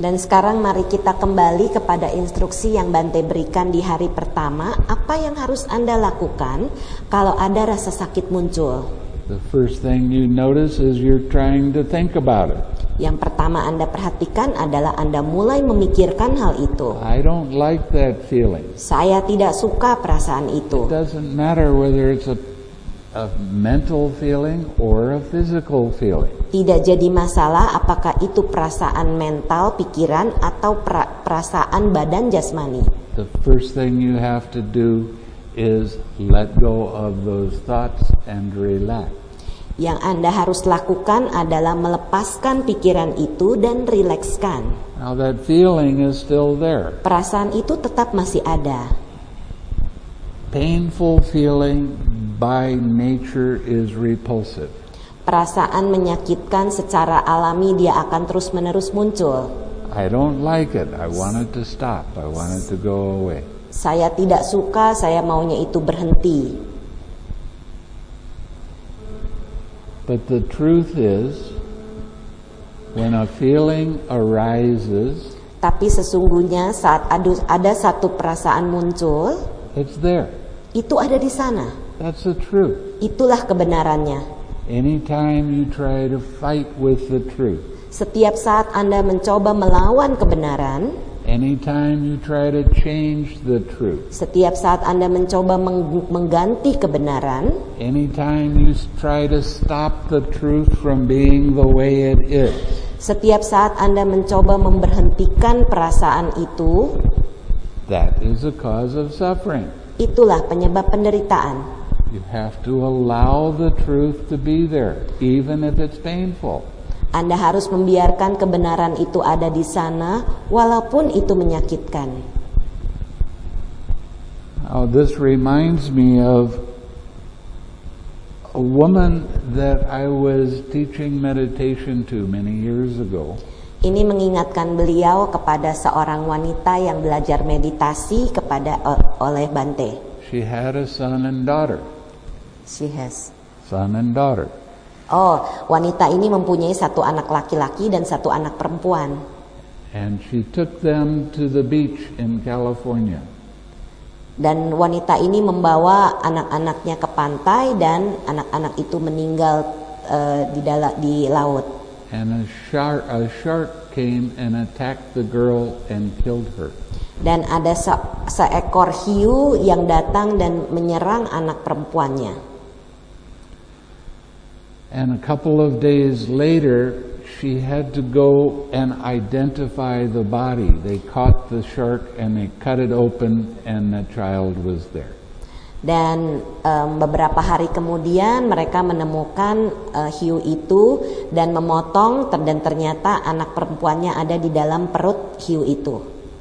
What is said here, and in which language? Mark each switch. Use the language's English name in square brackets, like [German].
[Indonesian] Dan sekarang mari kita kembali kepada instruksi yang Bante berikan di hari pertama. Apa yang harus Anda lakukan kalau ada rasa sakit muncul? [English] The first thing you notice is you're trying to think about it. [Indonesian] Yang pertama Anda perhatikan adalah Anda mulai memikirkan hal itu. [English] I don't like that feeling. [Indonesian] Saya tidak suka perasaan itu. [English] It doesn't matter whether it's a mental feeling or a physical feeling. [Indonesian] Tidak jadi masalah apakah itu perasaan mental, pikiran, atau perasaan badan jasmani. [English] The first thing you have to do is let go of those thoughts and relax. [Indonesian] Yang Anda harus lakukan adalah melepaskan pikiran itu dan rilekskan. [English] Now that feeling is still there. [Indonesian] Perasaan itu tetap masih ada. [English] Painful feeling by nature is repulsive. [Indonesian] Perasaan menyakitkan secara alami dia akan terus-menerus muncul. [English] I don't like it. I want it to stop. I want it to go away. [Indonesian] Saya tidak suka, saya maunya itu berhenti. [English] But the truth is, when a feeling arises, [Indonesian] tapi sesungguhnya saat ada satu perasaan muncul, [English] it's there. [Indonesian] Itu ada di sana. [English] That's the truth. [Indonesian] Itulah kebenarannya. [English] Anytime you try to fight with the truth, [Indonesian] setiap saat Anda mencoba melawan kebenaran, [English] anytime you try to change the truth, [Indonesian] setiap saat Anda mencoba mengganti kebenaran, [English] anytime you try to stop the truth from being the way it is, [Indonesian] Setiap saat Anda mencoba memberhentikan perasaan itu, [English] that is a cause of suffering. [Indonesian] Itulah penyebab penderitaan. [English] You have to allow the truth to be there, even if it's painful. [Indonesian] Anda harus membiarkan kebenaran itu ada di sana, walaupun itu menyakitkan. [English] Now, this reminds me of a woman that I was teaching meditation to many years ago. [Indonesian] Ini mengingatkan beliau kepada seorang wanita yang belajar meditasi kepada oleh Bante. [English] She had a son and daughter. She has son and daughter. [Indonesian] Oh, wanita ini mempunyai satu anak laki-laki dan satu anak perempuan. [English] And she took them to the beach in California. [Indonesian] Dan wanita ini membawa anak-anaknya ke pantai dan anak-anak itu meninggal di laut. [English] And a shark came and attacked the girl and killed her. [Indonesian] Dan ada seekor hiu yang datang dan menyerang anak perempuannya. [English] And a couple of days later, she had to go and identify the body. They caught the shark and they cut it open and the child was there. [Indonesian] Dan beberapa hari kemudian mereka menemukan hiu itu dan memotong dan ternyata anak perempuannya ada di dalam perut hiu itu.